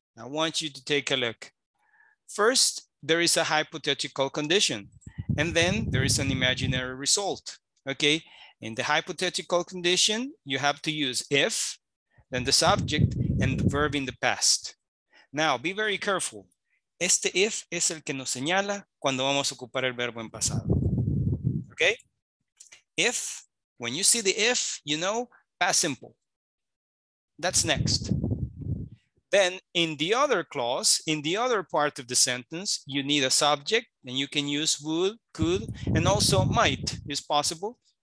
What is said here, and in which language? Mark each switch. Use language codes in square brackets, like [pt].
[en] I want you to take a look. First, there is a hypothetical condition, and then there is an imaginary result, okay? In the hypothetical condition, you have to use if, then the subject, and the verb in the past. Now, be very careful. [es] Este if es el que nos señala cuando vamos a ocupar el verbo en pasado. [en] Okay? If, when you see the if, you know, past simple. That's next. Then in the other clause, in the other part of the sentence, you need a subject and you can use would, could, and also might is possible.